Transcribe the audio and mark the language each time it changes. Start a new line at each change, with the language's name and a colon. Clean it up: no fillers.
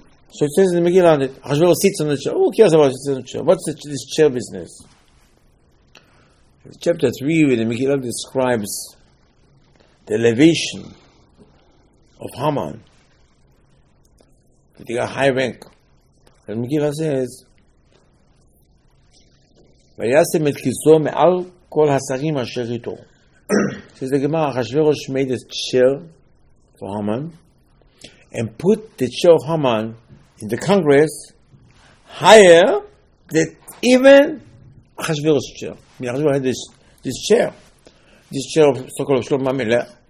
English: So it says in the Megillah that Hashem sits on the chair. Who cares about sitting on the chair? What's this chair business? Chapter 3, where the Megillah describes the elevation of Haman, that he got high rank.
Hebrew: And Megillah says, ויישם את כיסו מעל כל השרים אשר איתו.
English: Says the Gemara, Ahasuerus made a chair for Haman and put the chair of Haman in the Congress higher than even Ahasuerus' chair. I mean, Ahasuerus had this chair of so-called Shlomo HaMelech.